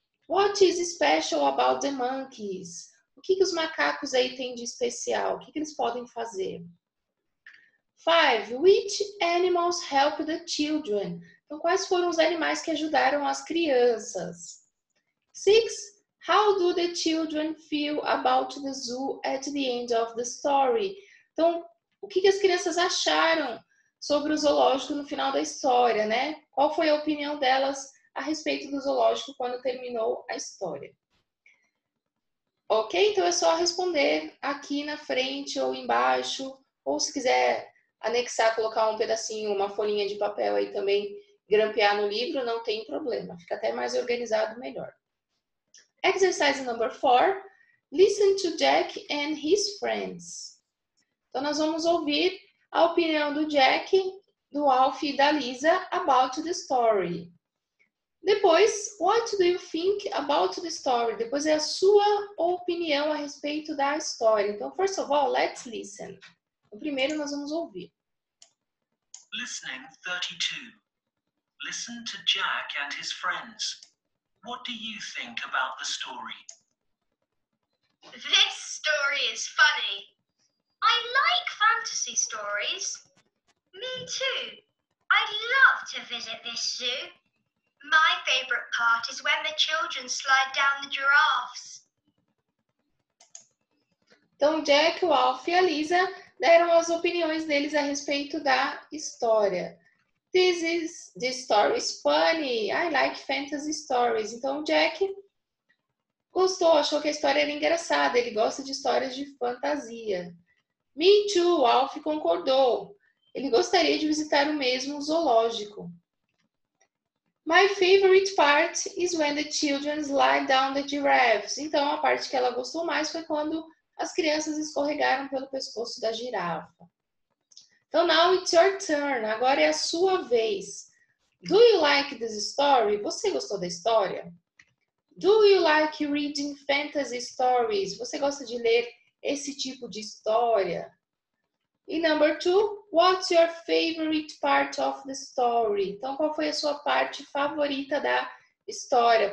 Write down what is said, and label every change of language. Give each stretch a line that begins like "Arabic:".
English: What is special about the monkeys?
Portuguese: O que, que os macacos aí têm de especial? O que, que eles podem fazer? 5.
English: Which animals help the children?
Portuguese: Então, quais foram os animais que ajudaram as crianças? 6.
English: How do the children feel about the zoo at the end of the story?
Portuguese: Então, o que, que as crianças acharam sobre o zoológico no final da história, né? Qual foi a opinião delas a respeito do zoológico quando terminou a história? Ok? Então, é só responder aqui na frente ou embaixo, ou se quiser anexar, colocar um pedacinho, uma folhinha de papel aí também, grampear no livro, não tem problema. Fica até mais organizado, melhor.
English: Exercise number 4. Listen to Jack and his friends.
Portuguese: Então, nós vamos ouvir a opinião do Jack, do Alf e da Lisa
English: about the story. Depois, what do you think about the story?
Portuguese: Depois é a sua opinião a respeito da história. Então,
English: first of all, let's listen.
Portuguese: Primeiro, nós vamos ouvir.
English: Listening 32. Listen to Jack and his friends. What do you think about the story? This story is funny. I like fantasy stories. Me too. I'd love to visit this zoo. My favorite part is when the children slide down the giraffes.
Portuguese: Então, Jack, o Alf e a Lisa deram as opiniões deles a respeito da história.
English: This story is funny. I like fantasy stories.
Portuguese: Então, Jack gostou, achou que a história era engraçada. Ele gosta de histórias de fantasia.
English: Me too,
Portuguese: Alf concordou. Ele gostaria de visitar o mesmo zoológico.
English: My favorite part is when the children slide down the giraffes.
Portuguese: Então, a parte que ela gostou mais foi quando as crianças escorregaram pelo pescoço da girafa. Então,
English: now it's your turn.
Portuguese: Agora é a sua vez.
English: Do you like this story?
Portuguese: Você gostou da história?
English: Do you like reading fantasy stories?
Portuguese: Você gosta de ler esse tipo de história?
English: E number 2, what's your favorite part of the story?
Portuguese: Então, qual foi a sua parte favorita da história?